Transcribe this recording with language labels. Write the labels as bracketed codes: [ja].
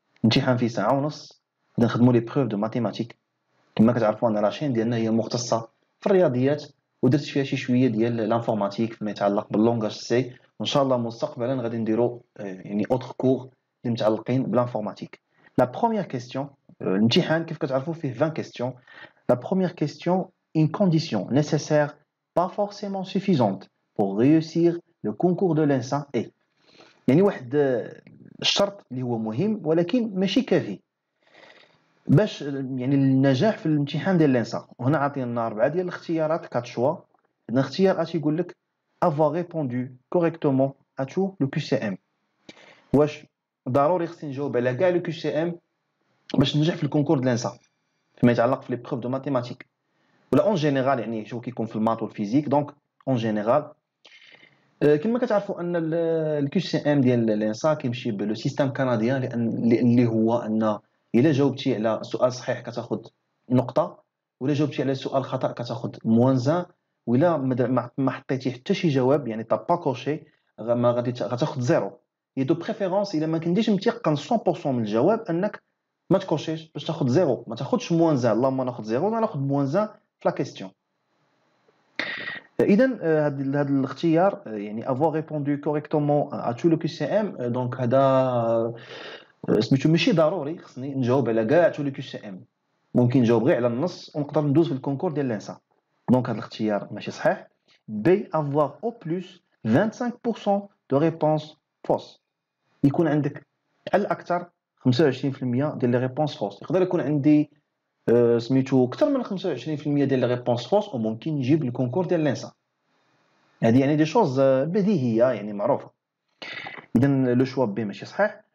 [ar] امتحان في ساعه ونص، غادي نخدموا لي بروف دو ماتيماتيك. كما كتعرفوا انا لاشين ديالنا هي مختصه في الرياضيات، ودرت فيها شي شويه ديال لانفورماتيك فيما يتعلق باللونغاج سي، وان شاء الله مستقبلا غادي نديروا يعني اوتر كور اللي متعلقين بالانفورماتيك. لا بروميير كيسيون، الامتحان كيف كتعرفوا فيه 20 كيسيون. [fr] لا بروميير كيسيون une condition nécessaire, pas forcément suffisante, pour réussir le concours de l'INSA est. [ar] يعني واحد الشرط اللي هو مهم ولكن ماشي كافي باش يعني النجاح في الامتحان ديال الانسا. هنا عطينا اربعة ديال الاختيارات كات شوا. الاختيار اش يقول لك؟ [fr] avoir répondu correctement à tout le QCM. [ar] واش ضروري خصني نجاوب على كاع لو QCM باش ننجح في الكونكور ديال الانسا فيما يتعلق في لي بروف دو ماتيماتيك ولا اون جينيرال، يعني شوف كيكون في الماط والفيزيك. دونك اون جينيرال كما كتعرفوا ان الكيو سي ام ديال الانسا كيمشي بلو سيستم كندي، لان اللي هو ان الا جاوبتي على سؤال صحيح كتاخذ نقطه، ولا جاوبتي على سؤال خطا كتاخذ موانزا، ولا ما حطيتي حتى شي جواب يعني طاب با كوشي ما غادي تاخذ زيرو. اي دو بريفيرونس الا ما كنديش متيقن 100% من الجواب انك ما تكوشيش باش تاخذ زيرو، ما تاخذش موانزا. اللهم ناخذ زيرو، ناخذ موانزا في لا كيسيون. اذا هذا الاختيار يعني [fr] avoir répondu correctement à tout le QCM، [ar] دونك هذا سميتو ماشي ضروري خصني نجاوب على كاع tout le QCM، ممكن نجاوب غير على النص ونقدر ندوز في الكونكور ديال لانسا. دونك هذا الاختيار ماشي صحيح. [fr] B avoir au plus 25% de réponse fausse. [ar] يكون عندك على الاكثر 25% ديال لي ريبونس فوس. يقدر يكون عندي سميتو اكثر من 25% ديال لي ريبونس فوس وممكن نجيب الكونكور ديال لانسا. هادي يعني دي شوز بديهيه يعني معروفه. اذا لو شوا بي ماشي صحيح.